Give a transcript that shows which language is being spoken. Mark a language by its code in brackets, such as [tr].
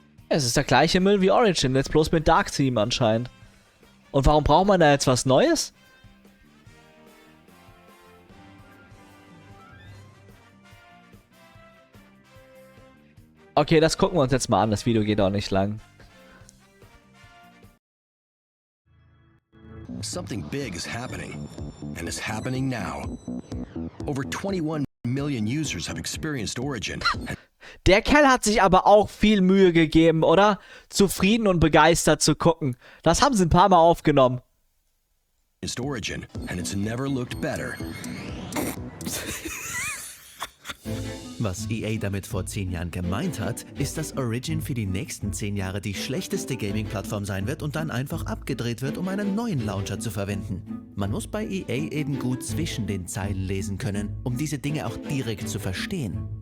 [de] Es ist der gleiche Müll wie Origin. Jetzt bloß mit Dark Team anscheinend. Und warum braucht man da jetzt was Neues? Okay, das gucken wir uns jetzt mal an. Das Video geht auch nicht lang. [en] Something big is happening. And it's happening now. Over 21 million users have experienced Origin. [de] Der Kerl hat sich aber auch viel Mühe gegeben, oder? Zufrieden und begeistert zu gucken. Das haben sie ein paar Mal aufgenommen. [en] It's Origin, and it's never looked better. [de] Was EA damit vor 10 Jahren gemeint hat, ist, dass Origin für die nächsten 10 Jahre die schlechteste Gaming-Plattform sein wird und dann einfach abgedreht wird, um einen neuen Launcher zu verwenden. Man muss bei EA eben gut zwischen den Zeilen lesen können, um diese Dinge auch direkt zu verstehen.